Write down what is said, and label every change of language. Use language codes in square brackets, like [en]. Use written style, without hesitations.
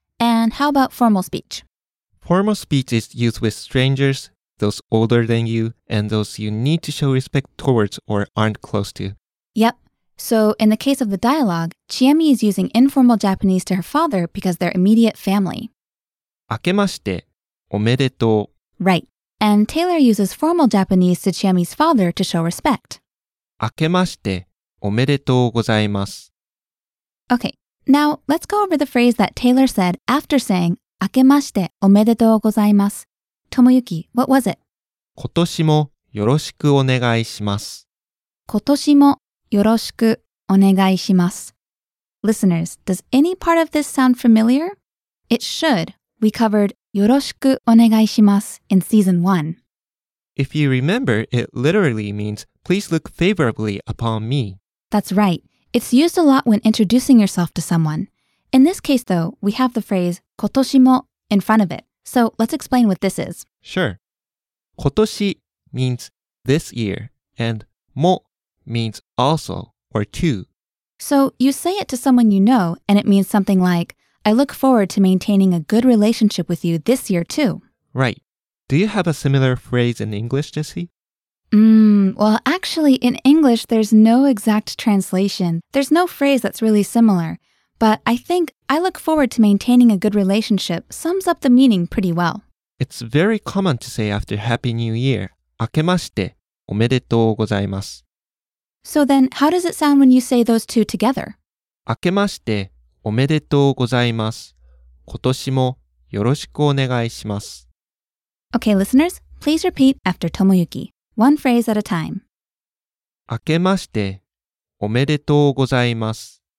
[en] And how about formal speech? Formal speech is used with strangers, those older than you, and those you need to show respect towards or aren't close to. Yep. So in the case of the dialogue, Chiemi is using informal Japanese to her father because they're immediate family. [ja] 明けましておめでとう。 [en] Right. And Taylor uses formal Japanese to Chiemi's father to show respect. [ja] 明けましておめでとうございます。 [en] Okay, now let's go over the phrase that Taylor said after saying [ja] 明けましておめでとうございます。 [en] Tomoyuki, what was it? [ja] 今年もよろしくお願いします。今年もよろしくお願いします。 [en] Listeners, does any part of this sound familiar? It should. We covered... [ja] よろしくお願いします [en] in season 1. If you remember, it literally means, please look favorably upon me. That's right. It's used a lot when introducing yourself to someone. In this case, though, we have the phrase 今年も in front of it. So let's explain what this is. Sure. Kotoshi means this year, and mo means also or to. So you say it to someone you know, and it means something like, I look forward to maintaining a good relationship with you this year too. Right. Do you have a similar phrase in English, Jessie? Well, actually, in English, there's no exact translation. There's no phrase that's really similar. But I think, I look forward to maintaining a good relationship sums up the meaning pretty well. It's very common to say after Happy New Year, [ja] 明けましておめでとうございます。 [en] So then, how does it sound when you say those two together? [ja] 明けましておめでとうございます。今年もよろしくお願いします。 [en] Okay, listeners, please repeat after Tomoyuki, one phrase at a time. [ja] 明けましておめでとうございます。